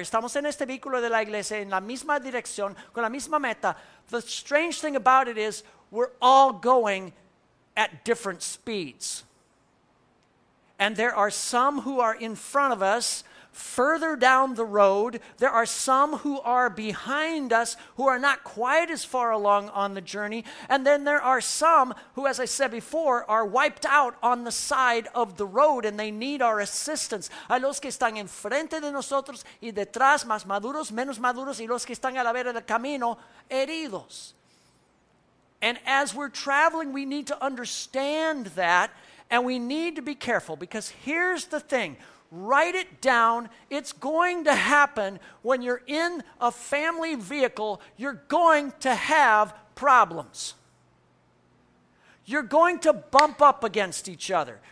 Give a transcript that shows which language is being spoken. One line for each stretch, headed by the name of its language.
Spanish: Estamos en este vehículo de la iglesia en la misma dirección, con la misma meta.
English: The strange thing about it is we're all going at different speeds. And there are some who are in front of us further down the road. There are some who are behind us who are not quite as far along on the journey. And then there are some who, as I said before, are wiped out on the side of the road and they need our assistance.
Spanish: Hay los que están enfrente de nosotros y detrás, más maduros, menos maduros, y los que están a la vera del camino, heridos.
English: And as we're traveling, we need to understand that and we need to be careful, because here's the thing. Write it down. It's going to happen when you're in a family vehicle. You're going to have problems. You're going to bump up against each other.